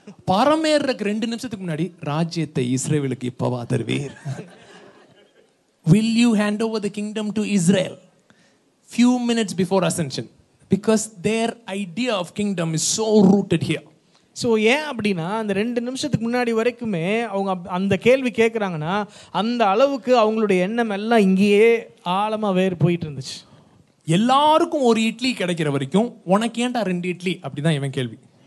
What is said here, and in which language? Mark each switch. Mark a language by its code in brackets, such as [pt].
[ta] பரமேறதுக்கு 2 நிமிஷத்துக்கு முன்னாடி ராஜ்யத்தை இஸ்ரேலுக்கு இப்பவா தருவீர். [en] Will you hand over the kingdom to Israel few minutes before ascension? Because their idea of kingdom is so rooted here. [ta] So yeah, அப்படினா அந்த 2 நிமிஷத்துக்கு முன்னாடி வரைக்குமே அவங்க அந்த கேள்வி கேக்குறாங்கன்னா அந்த அளவுக்கு அவங்களுடைய எண்ணம் எல்லாம் இங்கேயே ஆழமா வேறு போயிட்டு இருந்துச்சு. எல்லாருக்கும் ஒரு இட்லி கிடைக்கிற வரைக்கும் உனக்கு ஏன்டா 2 இட்லி? அப்படிதான் இவன் கேள்வி.